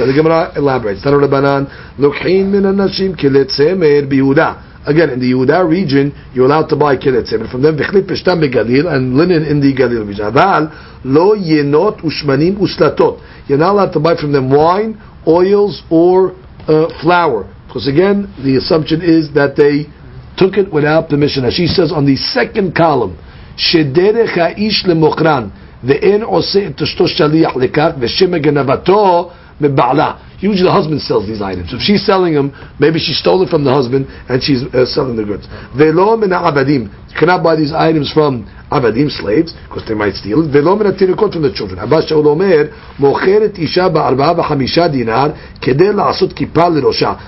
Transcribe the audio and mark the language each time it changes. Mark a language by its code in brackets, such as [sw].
[en] And the Gemara elaborates. Again, in the Yehuda region, you're allowed to buy kelet tzemer from them, and linen in the Galil region. You're not allowed to buy from them wine, oils, or flour. Because again, the assumption is that they took it without permission. As she says on the second column, [he] שדרך האיש למוכרן ואין עושה את אשתו שליח לכך ושם גנבתו מבעלה. [en] Usually the husband sells these items. If she's selling them, maybe she stole it from the husband and she's selling the goods. [he] ולא מן העבדים, [en] cannot buy these items from עבדים, slaves, because they might steal it. [he] ולא מן התינוקות, [en] from the children. [he] אבא שאול אומר, מוכרת אישה בארבעה וחמישה דינר כדי לעשות כיפה לראשה.